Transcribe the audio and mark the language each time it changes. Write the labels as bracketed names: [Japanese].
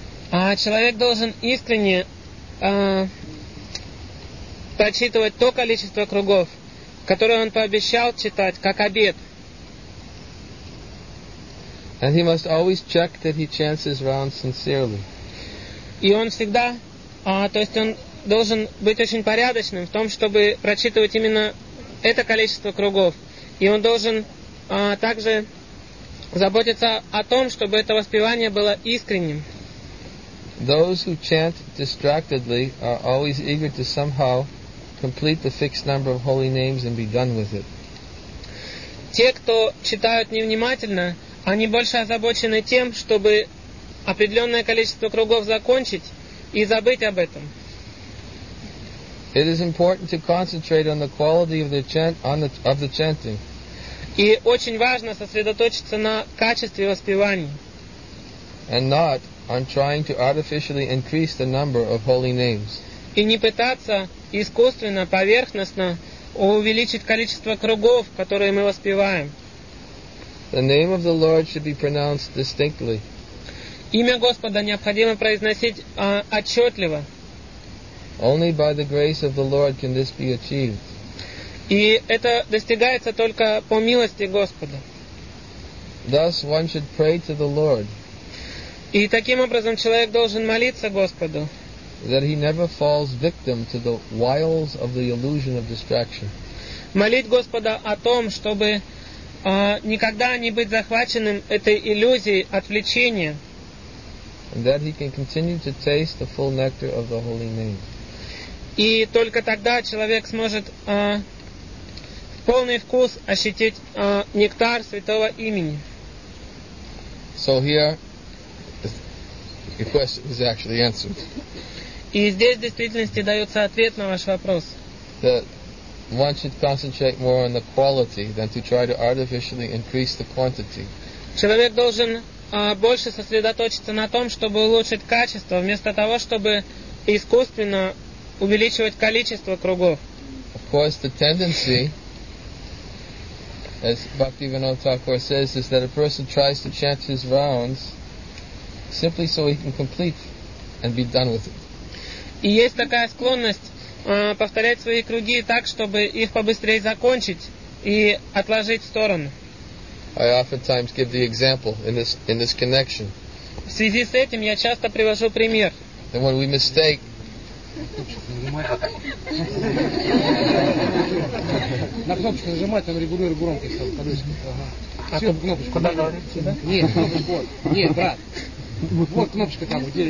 [Russian] Человек должен искренне прочитывать то количество кругов, которое он пообещал читать, как обет. [English] And he must always check that he chants his rounds sincerely. [Russian] И он всегда, то есть он должен быть очень порядочным в том, чтобы прочитывать именно это количество кругов. И он должен также заботиться о том, чтобы это воспевание было искренним. [English] Those who chant distractedly are always eager to somehow complete the fixed number of holy names and be done with it. [Russian] Те, кто читают невнимательно, они больше озабочены тем, чтобы определенное количество кругов закончить и забыть об этом. [English] It is important to concentrate on the quality of the chant, of the chanting. [Russian] И очень важно сосредоточиться на качестве воспевания. [English] And not on trying to artificially increase the number of holy names. [Russian] И не пытаться искусственно, поверхностно увеличить количество кругов, которые мы воспеваем. [English] The name of the Lord should be pronounced distinctly. [Russian] Имя Господа необходимо произносить отчетливо. [English] Only by the grace of the Lord can this be achieved. [Russian] И это достигается только по милости Господа. [English] Thus one should pray to the Lord. [Russian] И таким образом человек должен молиться Господу. [English] That he never falls victim to the wiles of the illusion of distraction. [Russian] Молить Господа о том, чтобы никогда не быть захваченным этой иллюзией отвлечения. [English] and that he can continue to taste the full nectar of the holy name. [Russian] И только тогда человек сможет в полный вкус ощутить нектар святого имени. [English] So here, the question is actually answered. [Russian] И здесь в действительности дается ответ на ваш вопрос. [English] That one should concentrate more on the quality than to try to artificially increase the quantity. [Russian] Человек должен больше сосредоточиться на том, чтобы улучшить качество, вместо того, чтобы искусственно увеличивать количество кругов. [English] Of course, the tendency, as Bhaktivinoda Thakur says, is that a person tries to chant his rounds simply so he can complete and be done with it. [Russian] И есть такая склонность повторять свои круги так, чтобы их побыстрее закончить и отложить в сторону. [English] I oftentimes give the example in this connection. [Russian] В связи с этим я часто привожу пример. [English] And when we mistake. [Russian] На кнопочку нажимать, там регулирует громкость. Всю кнопочку. Куда говорить? Нет, брат. Вот кнопочка там, где